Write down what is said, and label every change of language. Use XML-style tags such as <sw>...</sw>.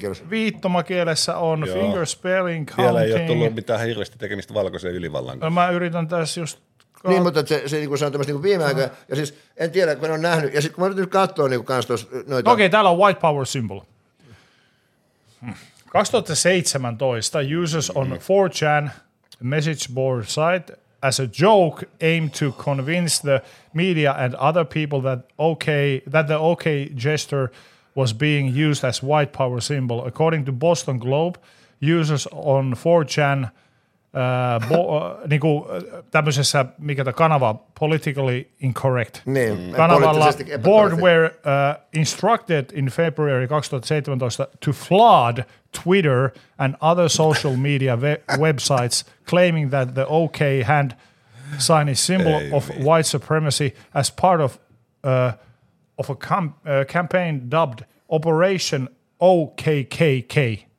<fi>Viittomakielessä</fi> <en>on finger spelling counting.</en> <fi>Vielä ei ole tullut mitään hirveästi tekemistä valkoisen ylivallan kanssa. Mä yritän tässä just... Niin, mutta se niin kuin se on tämmöistä niin viime aikoina. Ja siis en tiedä, kun on nähnyt. Ja sitten kun mä yritän katsoa niin kuin kanssa tuossa noita... Okei, täällä on</fi> <en>white power symbol. 2017 users on 4chan message board site as a joke aimed to convince the media and other people that the OK gesture was being used as white power symbol. According to Boston Globe, users on 4chan</en> <fi>niinku tämmöisessä mikä tämä kanava</fi> <en>politically incorrect</en> <fi>niin,</fi> <en>kanavalla board were instructed in February 2017 to flood Twitter and other social media websites claiming that the OK hand sign is symbol of white supremacy as part of a campaign dubbed Operation OKKK.</en>